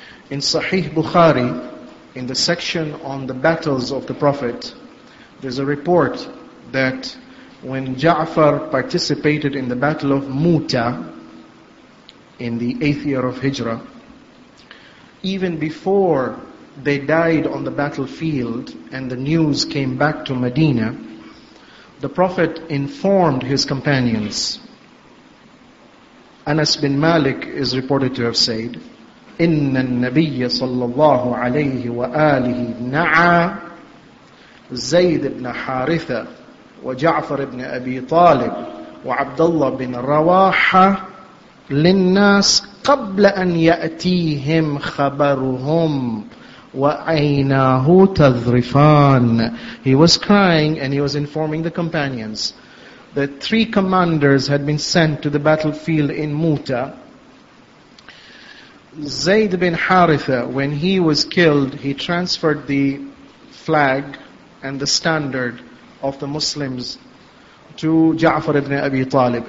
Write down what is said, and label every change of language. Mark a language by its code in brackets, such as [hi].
[en] In Sahih Bukhari, in the section on the battles of the Prophet, there's a report that when Ja'far participated in the battle of Muta, in the 8th year of Hijrah, even before they died on the battlefield and the news came back to Medina, the Prophet informed his companions. Anas bin Malik is reported to have said, [ar] إِنَّ النَّبِيَّ صَلَّى اللَّهُ عَلَيْهِ وَآلِهِ نَعَى زَيْدِ بْنَ حَارِثَ وَجَعْفَرِ بْنِ أَبِي طَالِبِ وَعَبْدَ اللَّهِ بِنَ رَوَاحَ لِلنَّاسِ قَبْلَ أَنْ يَأْتِيهِمْ خَبَرُهُمْ وَأَيْنَاهُ تَذْرِفَانَ. [en] He was crying and he was informing the companions that three commanders had been sent to the battlefield in Muta. Zayd bin Haritha, when he was killed, he transferred the flag and the standard of the Muslims to Ja'far ibn Abi Talib.